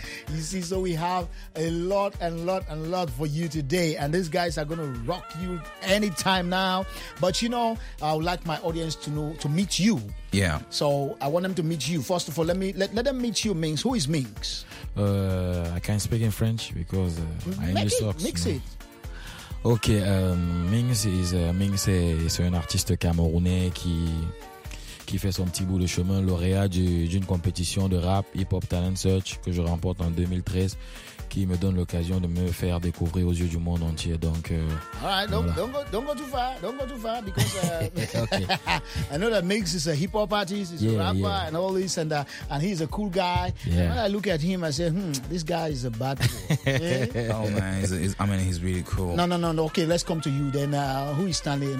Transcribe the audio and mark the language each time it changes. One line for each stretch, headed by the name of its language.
English: You see, so we have a lot and lot and lot for you today. And these guys are going to rock you anytime now. But, you know, I would like my audience to know, to meet you. Yeah. So I want them to meet you. First of all, let them meet you, Minx. Who is Minx? I can't speak in French because my English sucks. Mix it.
French: Okay, Minx c'est un artiste camerounais qui fait son petit bout de chemin, lauréat d'une compétition de rap, Hip Hop Talent Search, que je remporte en 2013, qui me donne l'occasion de me faire découvrir aux yeux du monde entier. Donc,
English: don't go too far, because I know that Minx is a hip hop artist, he's a rapper, and all this, and he's a cool guy. Yeah. And when I look at him, I say, this guy is a bad boy. Oh man, he's really cool. No. Okay, let's come to you then. Who is Stanley?